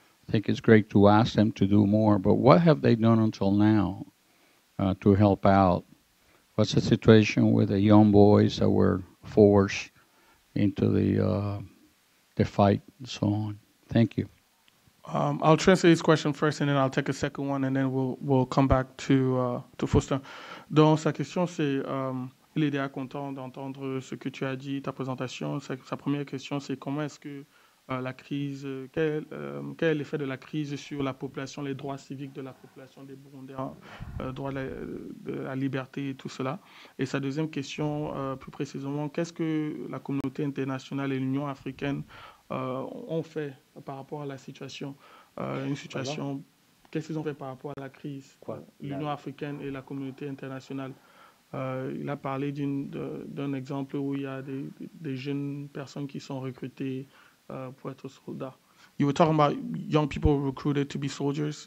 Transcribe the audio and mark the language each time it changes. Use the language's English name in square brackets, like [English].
[English] I think it's great to ask them to do more, but what have they done until now to help out? What's the situation with the young boys that were forced into the fight and so on? Thank you. I'll translate this question first, and then I'll take a second one, and then we'll come back to Faustin. [French] Donc, sa question, c'est, il est déjà content d'entendre ce que tu as dit, ta présentation. Sa première question, c'est comment est-ce que la crise, quel est l'effet de la crise sur la population, les droits civiques de la population des Burundais, droit de la liberté et tout cela. Et sa deuxième question, plus précisément, qu'est-ce que la communauté internationale et l'Union africaine ont fait par rapport à la situation, une situation qu'est-ce qu'ils ont fait par rapport à la crise, quoi, l'Union africaine et la communauté internationale. Il a parlé d'un exemple où il y a des jeunes personnes qui sont recrutées pour être soldats. [English] You were talking about young people recruited to be soldiers.